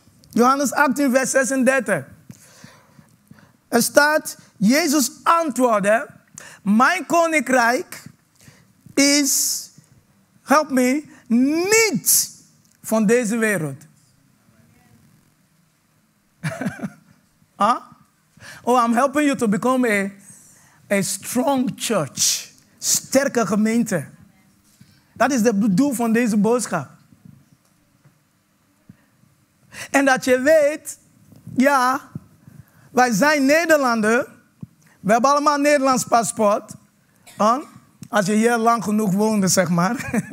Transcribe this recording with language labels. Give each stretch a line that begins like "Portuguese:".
Dutch: Johannes 18, vers 36. Er staat, Jezus antwoordde, mijn koninkrijk is, help me, niet van deze wereld.
English: Oh, I'm helping you to become a strong church.
Dutch: Sterke gemeente. Dat is de doel van deze boodschap. En dat je weet, ja, wij zijn Nederlander. We hebben allemaal een Nederlands paspoort. Als je hier lang genoeg woonde, zeg maar.